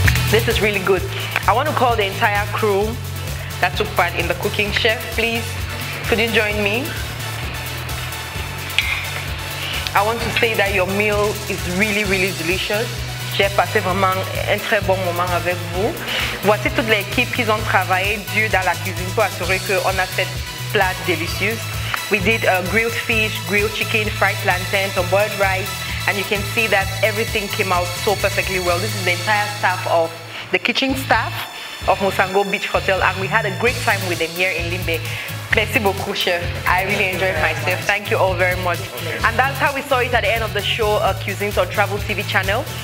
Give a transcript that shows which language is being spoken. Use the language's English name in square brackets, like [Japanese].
[English] This is really good. I want to call the entire crew that took part in the cooking. Chef, please, could you join me? I want to say that your meal is really, really delicious. [French] J'ai passé vraiment un très bon moment avec vous. Voici toute l'équipe qui ont travaillé dur dans la cuisine pour assurer qu'on a cette plat délicieuse. [English] We did grilled fish, grilled chicken, fried plantains, some boiled rice, and you can see that everything came out so perfectly well. This is the entire staff of the kitchen staff of Musango Beach Hotel, and we had a great time with them here in Limbé. [French] Merci beaucoup, chef. [English] I really enjoyed myself. Thank you all very much. And that's how we saw it at the end of the show, Cuisines on Travel TV channel.